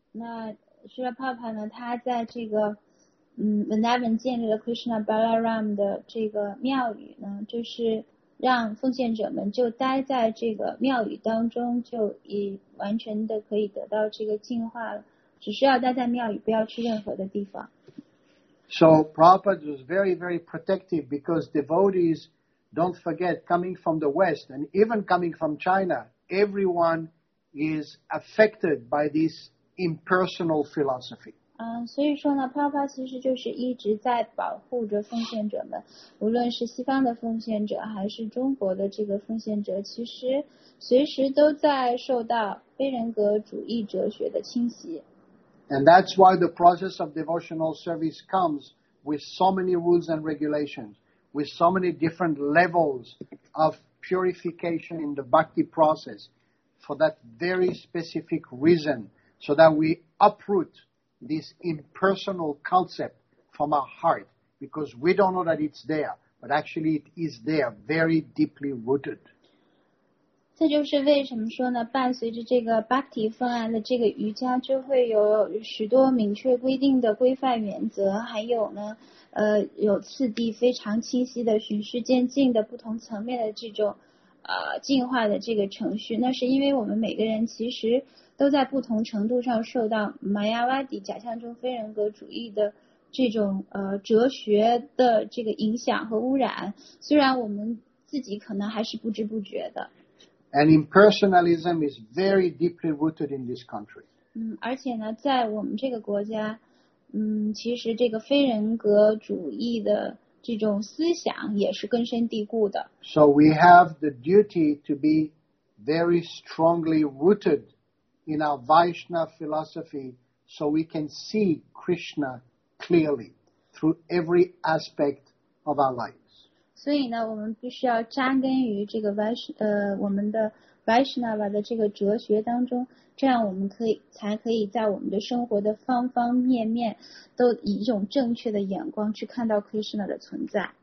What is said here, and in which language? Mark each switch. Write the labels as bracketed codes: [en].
[zh] 那 Srila Prabhupada 呢，他在这个Vrindavan 建立了 Krishna Balaram 的这个庙宇呢，就是让奉献者们就待在这个庙宇当中，就已完全的可以得到这个净化了，只需要待在庙宇，不要去任何的地方。 [en] So Prabhupada was very, very protective because devotees, don't forget, coming from the West and even coming from China, everyone is affected by this impersonal philosophy. [zh] 所以说呢 Prabhupada 其实就是一直在保护着奉献者们，无论是西方的奉献者还是中国的这个奉献者，其实随时都在受到非人格主义哲学的侵袭。 [en] And that's why the process of devotional service comes with so many rules and regulations, with so many different levels of purification in the bhakti process, for that very specific reason, so that we uproot this impersonal concept from our heart, because we don't know that it's there, but actually it is there, very deeply rooted. [zh] 这就是为什么说呢，伴随着这个 Bhakti 方案的这个瑜伽，就会有许多明确规定的规范原则，还有呢，有次第非常清晰的循序渐进的不同层面的这种进化的这个程序，那是因为我们每个人其实都在不同程度上受到 Mayavadi 假象中非人格主义的这种哲学的这个影响和污染，虽然我们自己可能还是不知不觉的。 [en] And impersonalism is very deeply rooted in this country. [zh] 而且呢，在我们这个国家，其实这个非人格主义的这种思想也是根深蒂固的。 [en] So we have the duty to be very strongly rooted in our Vaishnava philosophy so we can see Krishna clearly through every aspect of our lives. [zh] 所以呢，我们必须要扎根于这个我们的 Vaishnava 的这个哲学当中，这样我们才可以在我们的生活的方方面面都以一种正确的眼光去看到 Krishna 的存在。